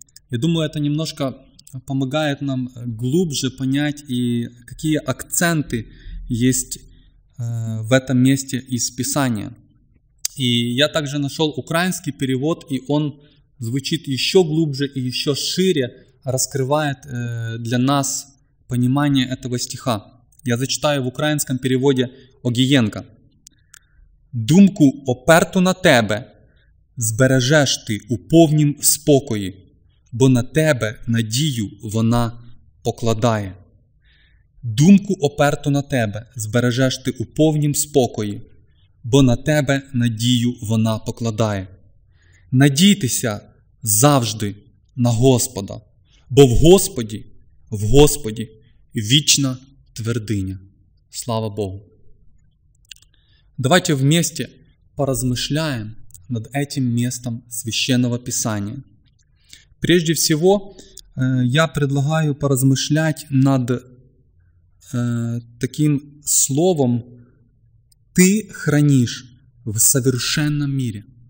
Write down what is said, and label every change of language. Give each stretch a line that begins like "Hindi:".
Russian: Я думаю, это немножко помогает нам глубже понять, и какие акценты есть в этом месте из Писания. И я также нашел украинский перевод, и он звучит еще глубже и еще шире, раскрывает для нас понимание этого стиха. Я зачитаю в украинском переводе Огієнка.
Ukrainian: «Думку оперту на тебе збережеш ти у повнім спокої, бо на тебе надію вона покладає». Думку оперту на тебе збережеш ти у повнім спокої, бо на тебе надію вона покладає. Надійтеся завжди на Господа, бо в Господі вічна твердиня. Слава Богу!
Russian: Давайте вместе поразмышляем над этим местом Священного Писания. Прежде всего, я предлагаю поразмышлять над таким словом «ты хранишь в совершенном мире».